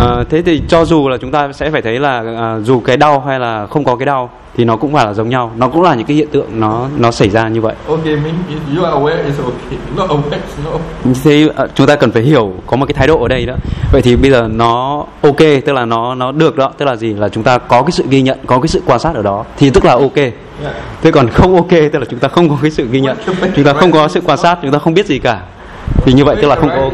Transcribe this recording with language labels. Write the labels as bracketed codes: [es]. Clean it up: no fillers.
[vi] Thế thì cho dù là chúng ta sẽ phải thấy là dù cái đau hay là không có cái đau thì nó cũng phải là giống nhau, nó cũng là những cái hiện tượng nó xảy ra như vậy. [en] Okay, means you are aware is okay, not aware, no. [vi] Thế chúng ta cần phải hiểu có một cái thái độ ở đây đó. Vậy thì bây giờ nó ok, tức là nó được đó, tức là gì, là chúng ta có cái sự ghi nhận, có cái sự quan sát ở đó thì tức là ok. [en] Yeah. [vi] Thế còn không ok tức là chúng ta không có cái sự ghi nhận, chúng ta không có sự quan sát, chúng ta không biết gì cả thì như vậy tức là không có ok.